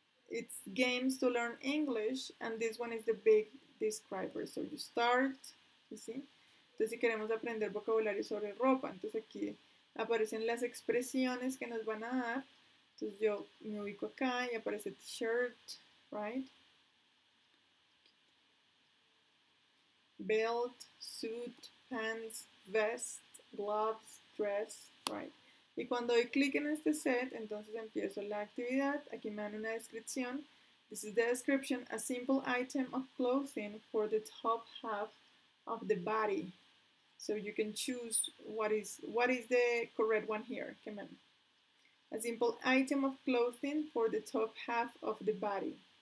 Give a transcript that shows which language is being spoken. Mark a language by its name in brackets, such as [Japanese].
[English] It's games to learn English, and this one is the big describer. So you start, you see. [Spanish] Entonces, si queremos aprender vocabulario sobre ropa, entonces aquí aparecen las expresiones que nos van a dar. Entonces, yo me ubico acá y aparece t-shirt, right? [English] Belt, suit, pants, vest, gloves, dress, right? [Spanish] Y cuando doy clic en este set, entonces empiezo la actividad. Aquí me dan una descripción. [English] This is the description, a simple item of clothing for the top half of the body. So you can choose what is the correct one here. Come on. A simple item of clothing for the top half of the body.